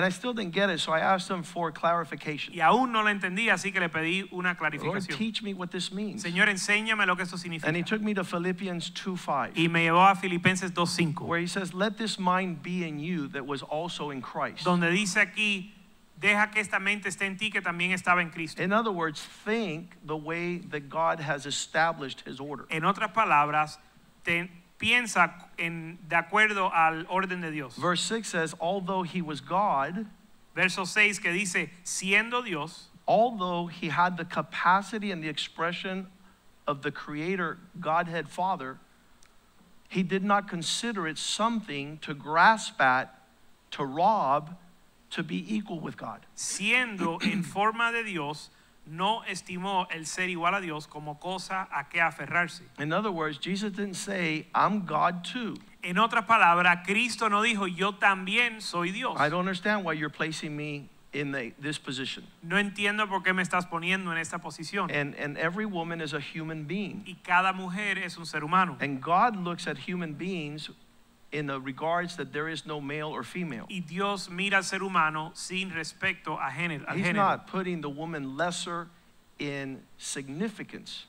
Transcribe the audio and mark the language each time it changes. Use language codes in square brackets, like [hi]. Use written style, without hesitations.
[en] And I still didn't get it, so I asked him for clarification. [es] Y aún no lo entendí, así que le pedí una clarificación. [en] Lord, teach me what this means. [es] Señor, enséñame lo que esto significa. [en] And he took me to Philippians 2:5. [es] Y me llevó a Filipenses 2:5. [en] Where he says, "Let this mind be in you that was also in Christ." [es] Donde dice aquí, deja que esta mente esté en ti que también estaba en Cristo. [en] In other words, think the way that God has established his order. [es] En otras palabras, piensa de acuerdo al orden de Dios. [en] Verse 6 says, although he was God, [es] verso 6 que dice, siendo Dios, [en] although he had the capacity and the expression of the Creator, Godhead Father, he did not consider it something to grasp at, to rob, to be equal with God. [es] Siendo en forma de Dios, no estimó el ser igual a Dios como cosa a que aferrarse. [en] In other words, Jesus didn't say, "I'm God too." [es] En otras palabras, Cristo no dijo, "Yo también soy Dios." [en] I don't understand why you're placing me in this position. [es] No entiendo por qué me estás poniendo en esta posición. [en] And every woman is a human being. [es] Y cada mujer es un ser humano. [en] And God looks at human beings in the regards that there is no male or female. [es] Y Dios mira al ser humano sin respecto a género. [en] He's not putting the woman lesser in significance.